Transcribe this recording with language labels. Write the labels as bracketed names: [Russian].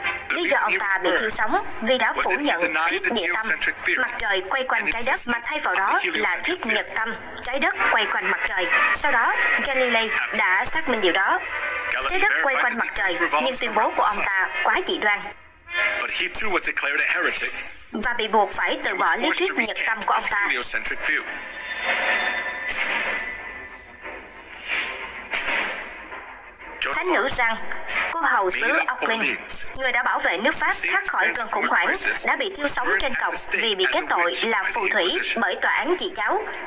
[Vietnamese] Lý do ông ta bị thiêu sống vì đã phủ nhận thuyết địa tâm, mặt trời quay quanh trái đất, mà thay vào đó là thuyết nhật tâm, trái đất quay quanh mặt trời. Sau đó, Galilei đã xác minh điều đó. Trái đất quay quanh mặt trời, nhưng tuyên bố của ông ta quá dị đoan. [English] But he too was declared a heretic. [Vietnamese] Và bị buộc phải từ bỏ lý thuyết nhật tâm của ông ta. Thánh nữ rằng, cô hầu xứ Auckland, người đã bảo vệ nước Pháp thoát khỏi cơn khủng hoảng, đã bị thiêu sống trên cọc vì bị kết tội là phù thủy bởi tòa án dị giáo.